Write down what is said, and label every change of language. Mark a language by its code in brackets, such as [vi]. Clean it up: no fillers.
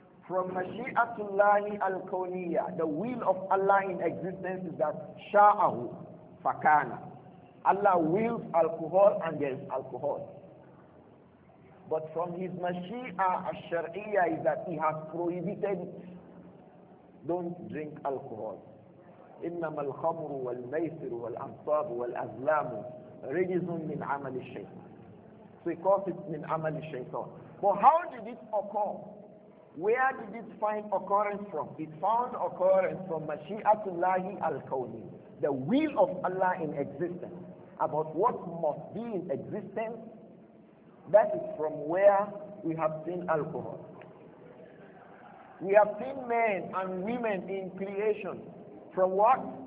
[en] From Mashi'atullahi al-Kawniya, the will of Allah in existence is that Sha'ahu Fakana. Allah wills alcohol and there's alcohol. But from His Mashi'a al-Shar'iyya is that He has prohibited it. Don't drink alcohol. [ar] إِنَّمَا الْخَمْرُ وَالْمَيْسِرُ وَالْأَنْصَابُ وَالْأَزْلَامُ رِجِزٌ مِنْ عَمَلِ الشَّيْطَانِ. [en] So He calls it [ar] مِنْ عَمَلِ الشَّيْطَانِ. [en] But how did it occur? Where did it find occurrence from? It found occurrence from Mashi'atullahi al-Kawni, the will of Allah in existence, about what must be in existence. That is from where we have seen alcohol. We have seen men and women in creation. From what?